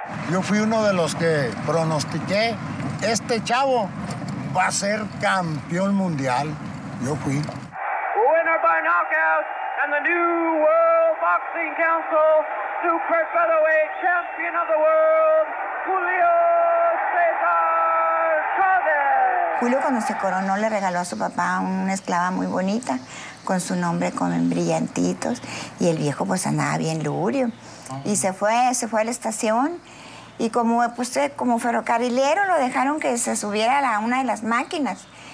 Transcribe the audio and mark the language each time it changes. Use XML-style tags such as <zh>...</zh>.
<es>Yo fui uno de los que pronostiqué, este chavo va a ser campeón mundial. Yo fui.</es> <en>Winner by knockout and the new World Boxing Council super featherweight champion of the world, Julio César Chávez.</en> <es>Julio, cuando se coronó, le regaló a su papá una esclava muy bonita con su nombre con brillantitos y el viejo pues andaba bien lurio. Uh-huh. Y se fue a la estación. Y como ferrocarrilero, lo dejaron que se subiera a una de las máquinas.</es>